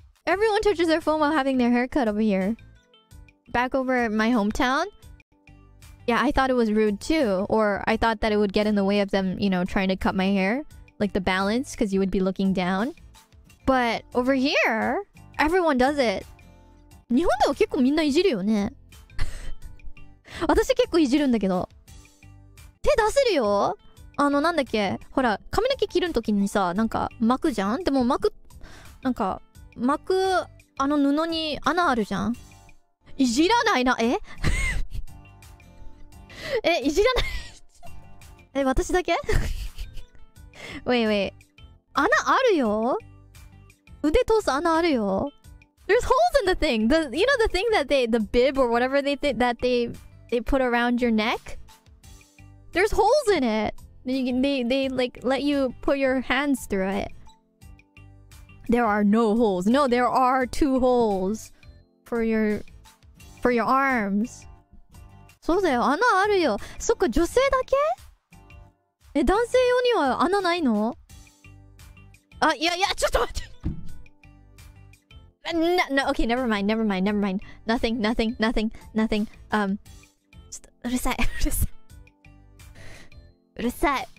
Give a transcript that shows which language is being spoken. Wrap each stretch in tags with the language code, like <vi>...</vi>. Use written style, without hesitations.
<en>Everyone touches their phone while having their hair cut over here. Back over at my hometown? Yeah, I thought it was rude too. Or I thought that it would get in the way of them, you know, trying to cut my hair. Like the balance, because you would be looking down. But over here, everyone does it.</en> <ja>日本では結構みんないじるよね。私結構いじるんだけど。手出せるよ。あの、なんだっけ。ほら、髪の毛切るときにさ、なんか巻くじゃん。でも巻く、なんか巻くあの布に穴あるじゃん。いじらないな。え？え、いじらない。え、私だけ？ウェイウェイ。穴あるよ。腕通す穴あるよ。</ja> <en>There's holes in the thing. The, you know the thing that they, the bib or whatever they think that they put around your neck? There's holes in it. They like let you put your hands through it. There are no holes. No, there are two holes for your arms.</en> <ja>そうだよ。穴あるよ。そっか、女性だけ？え、男性用には穴ないの？あ、いやいや、ちょっと待って。</ja> <en>No, no, okay, never mind, never mind, never mind. Nothing, nothing, nothing, nothing.</en> <ja>ちょっと、うるさい、うるさい。うるさい。</ja>